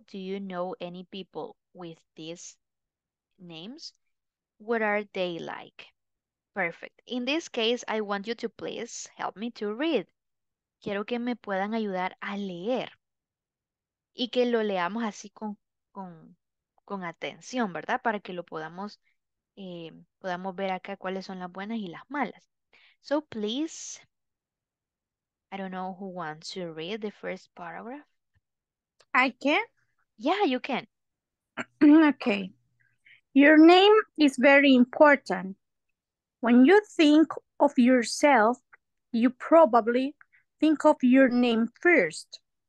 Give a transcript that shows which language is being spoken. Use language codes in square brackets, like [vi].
[en] Do you know any people with these names? What are they like? Perfect. In this case, I want you to please help me to read. [es] Quiero que me puedan ayudar a leer. Y que lo leamos así con atención, ¿verdad? Para que lo podamos, podamos ver acá cuáles son las buenas y las malas. [en] So please... I don't know who wants to read the first paragraph. I can? Yeah, you can. Okay. Your name is very important. When you think of yourself, you probably think of your name first.